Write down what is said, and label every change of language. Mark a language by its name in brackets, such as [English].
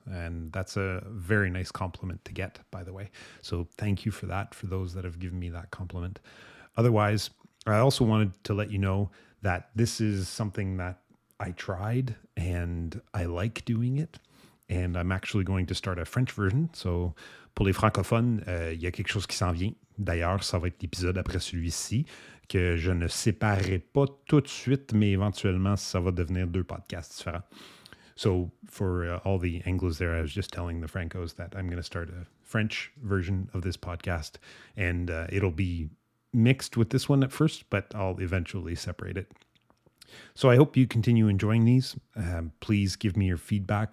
[English] And that's a very nice compliment to get, by the way. So thank you for that, for those that have given me that compliment. Otherwise, I also wanted to let you know that this is something that I tried and I like doing it. And I'm actually going to start a French version. [French] So pour les francophones, il y a quelque chose qui s'en vient. D'ailleurs, ça va être l'épisode après celui-ci que je ne séparerai pas tout de suite, mais éventuellement, ça va devenir deux podcasts différents. [English] So for all the Anglos there, I was just telling the Francos that I'm going to start a French version of this podcast. And it'll be mixed with this one at first, but I'll eventually separate it. So I hope you continue enjoying these. Please give me your feedback.